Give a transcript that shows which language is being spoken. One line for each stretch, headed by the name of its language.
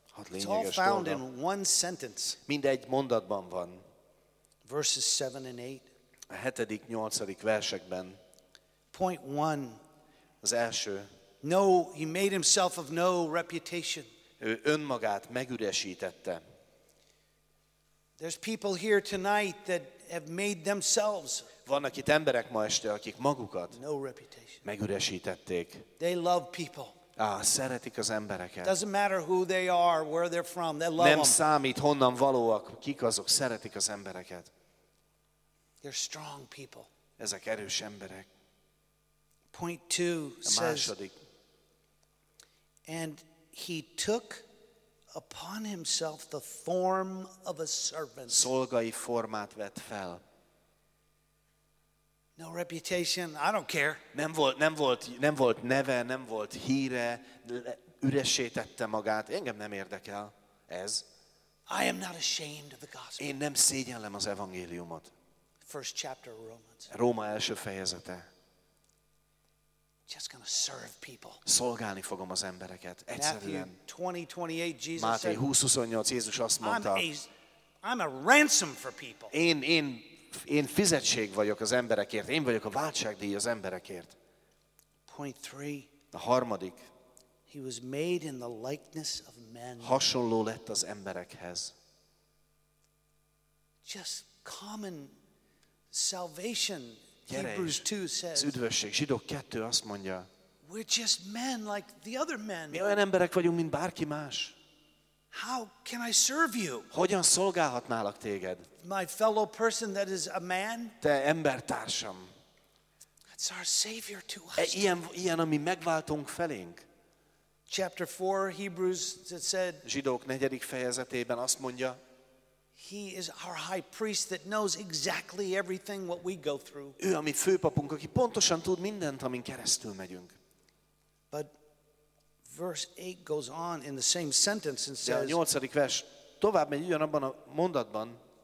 English: It's all found in one sentence.
Hungarian: Mindegy mondatban van.
English: Verses 7 and 8.
Hungarian: A hetedik, nyolcadik versekben.
English: Point 1.
Hungarian: Az első.
English: No, he made himself of no reputation.
Hungarian: Ő önmagát megüresítette.
English: There's people here tonight that have made themselves.
Hungarian: Vannak itt emberek ma este, akik magukat
English: no reputation.
Hungarian: Megüresítették.
English: They love people.
Hungarian: Szeretik az embereket.
English: Doesn't matter who they are, where they're from. They love them.
Hungarian: Nem számít, honnan valóak, kik azok, szeretik az embereket.
English: They're strong people.
Hungarian: Ezek erős emberek.
English: Point 2 says, and he took upon himself the form of a servant.
Hungarian: Szolgai formát vett fel.
English: No reputation, I don't care.
Hungarian: Nem volt neve, nem volt híre, üresítette magát. Engem nem érdekel ez.
English: I am not ashamed of the gospel.
Hungarian: Én nem szégyellem az evangéliumot.
English: First chapter of Romans.
Hungarian: Róma első fejezete.
English: Just gonna serve people.
Hungarian: Szolgálni fogom az embereket. Egyszerűen.
English: Matthew
Hungarian: 20:28 Jézus azt mondta.
English: I'm a ransom for people.
Hungarian: Én fizetség vagyok az emberekért. Én vagyok a váltságdíj az emberekért.
English: Point 3.
Hungarian: A harmadik.
English: He was made in the likeness of men.
Hungarian: Hasonló lett az emberekhez.
English: Just common salvation. Hebrews 2 says.
Hungarian: Az üdvösség. Zsidók 2 azt mondja.
English: We're just men like the other men.
Hungarian: Mi olyan emberek vagyunk, mint bárki más.
English: How can I serve you?
Hungarian: Hogyan szolgálhatnálak téged?
English: My fellow person that is a man.
Hungarian: Te embertársam.
English: That's our savior to us.
Hungarian: Ilyen a mi megváltónk felénk.
English: Chapter 4 Hebrews it said.
Hungarian: Zsidók 4. fejezetében azt mondja.
English: He is our high priest that knows exactly everything what we go through.
Hungarian: Ő a mi főpapunk, aki pontosan tud mindent, amin keresztül megyünk.
English: But verse 8 goes on in the same sentence and says.
Hungarian: De a nyolcadik vers tovább megy ugyanabban a mondatban.